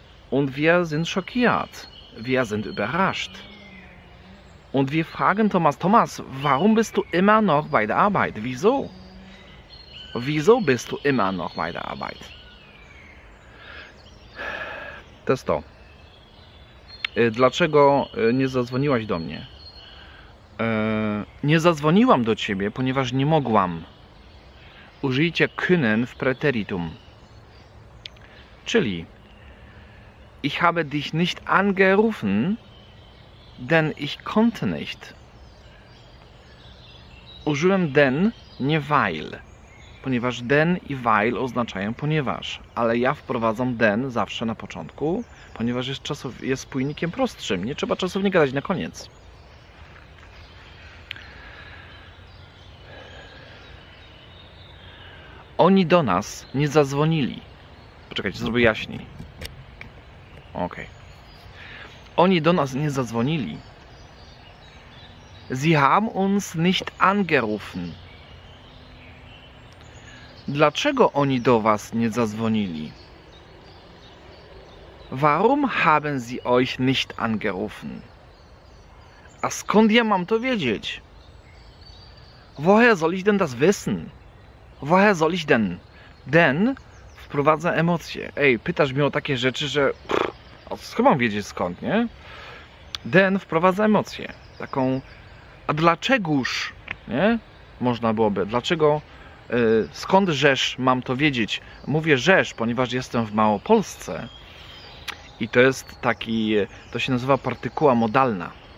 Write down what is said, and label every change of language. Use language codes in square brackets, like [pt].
[de] Und wir sind schockiert, wir sind überrascht. Und wir fragen Thomas, warum bist du immer noch bei der Arbeit? Wieso? Wieso bist du immer noch bei der Arbeit? Das ist doch. [pl] Dlaczego nie zadzwoniłaś do mnie? Nie zadzwoniłam do ciebie, ponieważ nie mogłam. Użyjcie können w preteritum. [de] Czyli ich habe dich nicht angerufen, denn ich konnte nicht. [pl] Użyłem denn, nie weil. Ponieważ denn i weil oznaczają ponieważ. Ale ja wprowadzam denn zawsze na początku, ponieważ jest spójnikiem prostszym. Nie trzeba czasownika dać na koniec. Oni do nas nie zadzwonili. Poczekajcie, zrobię jaśniej. Okej. Okay. Oni do nas nie zadzwonili. [de] Sie haben uns nicht angerufen. [pl] Dlaczego oni do was nie zadzwonili? [de] Warum haben sie euch nicht angerufen? [pl] A skąd ja mam to wiedzieć? [de] Woher soll ich denn das wissen? Woher soll ich denn? Denn [pl] wprowadza emocje. Ej, pytasz mnie o takie rzeczy, że skąd mam wiedzieć skąd, nie? Denn wprowadza emocje. Taką, a dlaczegoż, nie? można byłoby. Dlaczego? Skąd rzesz mam to wiedzieć? Mówię rzesz, ponieważ jestem w Małopolsce i to jest taki, to się nazywa partykuła modalna.